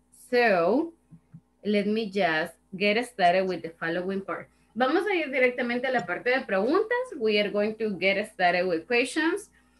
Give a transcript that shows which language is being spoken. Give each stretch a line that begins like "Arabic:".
English: So let me just get started with the following part.
Spanish: Vamos a ir directamente a la parte de preguntas.
English: We are going to get started with questions.